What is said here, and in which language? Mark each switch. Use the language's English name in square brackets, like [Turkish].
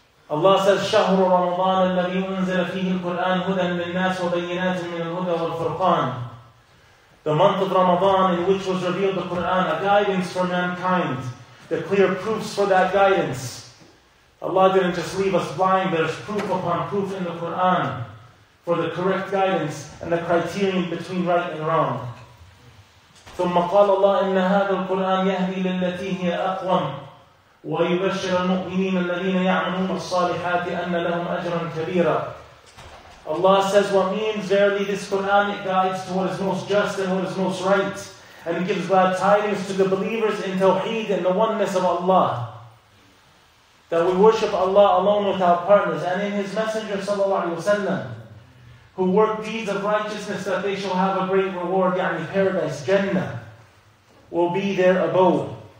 [English] Allah says, [Arabic] شَهْرُ رَمَضَانَ الَّذِي أُنزِلَ فِيهِ الْقُرْآنِ هُدًى لِلنَّاسِ وَبَيِّنَاتٍ مِنَ الْهُدَى وَالْفُرْقَانِ [English] The month of Ramadan in which was revealed the Qur'an, a guidance for mankind, the clear proofs for that guidance. Allah didn't just leave us blind, there's proof upon proof in the Qur'an for the correct guidance and the criterion between right and wrong. [Arabic] ثُمَّ قَالَ اللَّهِ إِنَّ هَذَا الْقُرْآنِ يَهْدِي لِلَّتِي هِيَ أَقْوَمْ وَيُبَشِّرَ الْمُؤْمِنِينَ الَّذِينَ يَعْمَلُونَ الصَّالِحَاتِ أَنَّ لَهُمْ أَجْرًا كَبِيرًا [English] Allah says, what means? Verily this Qur'an, it guides to what is most just and what is most right. And it gives glad tidings to the believers in Tawheed and the oneness of Allah. That we worship Allah alone without partners, and in His Messenger sallallahu alaihi wasallam, who work deeds of righteousness that they shall have a great reward, yani paradise, Jannah, will be their abode.